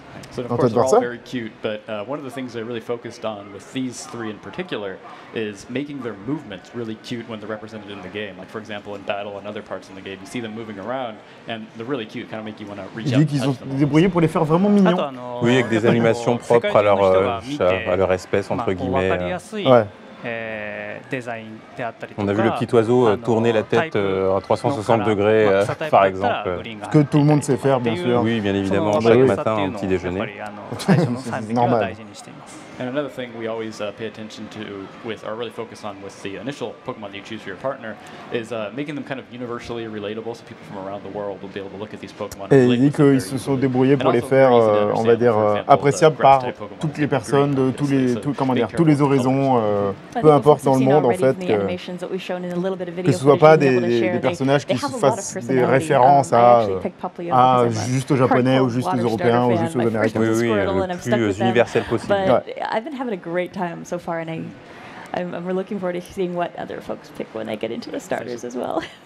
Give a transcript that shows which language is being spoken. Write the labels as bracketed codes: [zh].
[en] So of course they're all very cute, but one of the things they really focused on with these three in particular is making their movements really cute when they're represented in the game. Like for example, in battle and other parts in the game, you see them moving around, and they're really cute, kind of make you want to reach out. [fr] Il dit qu'ils ont débrouillé pour les faire vraiment mignons. Oui, avec des animations propres à leur espèce entre guillemets. Ouais. On a vu le petit oiseau tourner la tête à 360 degrés, par exemple. Ce que tout le monde sait faire, bien sûr. Oui, bien évidemment, chaque matin, un petit déjeuner. C'est normal. [en] And another thing we always pay attention to with, or really focus on with the initial Pokemon that you choose for your partner, is making them kind of universally relatable so people from around the world will be able to look at these Pokemon. [fr] Et il dit qu'ils se sont débrouillés pour les faire, on va dire, appréciables par toutes les personnes de tous les horizons, peu importe dans le monde en fait, que ce ne soit pas des personnages qui fassent des références à juste aux Japonais ou juste aux Européens ou juste aux Américains. Oui, le plus universel possible. [en] I've been having a great time so far, and I'm looking forward to seeing what other folks pick when they get into the starters as well.